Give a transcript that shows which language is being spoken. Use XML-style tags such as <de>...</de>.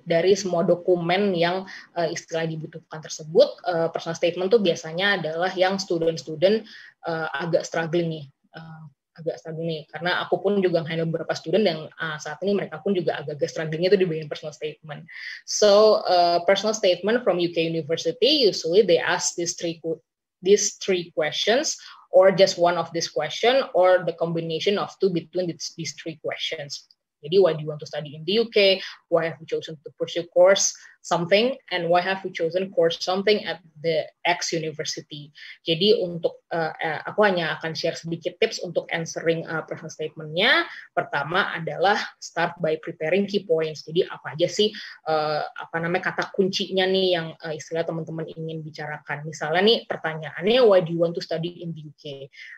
<id>Dari semua dokumen yang istilahnya dibutuhkan tersebut, personal statement tuh biasanya adalah yang student-student agak struggling nih, karena aku pun juga handle beberapa student yang saat ini mereka pun juga agak struggling itu di bagian personal statement.</id> <en>So, personal statement from UK university, usually they ask these three questions, or just one of this question, or the combination of two between these three questions. Jadi, why do you want to study in the UK? Why have you chosen to pursue course something? And why have you chosen course something at the X university?</en> <id>Jadi, untuk aku hanya akan share sedikit tips untuk answering personal statement-nya. Pertama adalah</id> <en>start by preparing key points.</en> <id>Jadi, apa aja sih kata kuncinya nih yang istilah teman-teman ingin bicarakan. Misalnya nih, pertanyaannya,</id> <en>why do you want to study in the UK?</en>